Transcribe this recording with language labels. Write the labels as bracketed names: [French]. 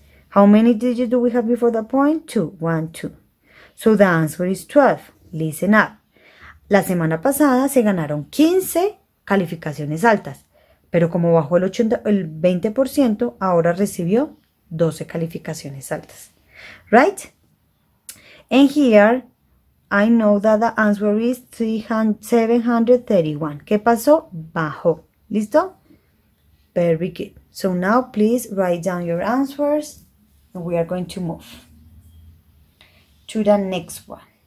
[English] How many digits do we have before the point? 2, 1, 2. So the answer is 12. Listen up. [Spanish] La semana pasada se ganaron 15 calificaciones altas, pero como bajó el 20%, ahora recibió 12 calificaciones altas. [English] Right? And here, I know that the answer is 731. [Spanish] ¿Qué pasó? Bajó. ¿Listo? [English] Very good. So now please write down your answers and we are going to move to the next one.